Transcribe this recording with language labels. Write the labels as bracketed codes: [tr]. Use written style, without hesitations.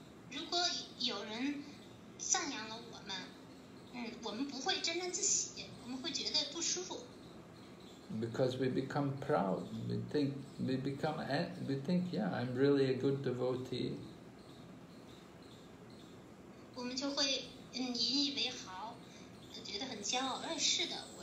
[zh] 如果有人赞扬了我们，我们不会沾沾自喜，我们会觉得不舒服。 [en] Because we become proud. We think, yeah, I'm really a good devotee. [zh] 我们就会引以为豪，觉得很骄傲，是的。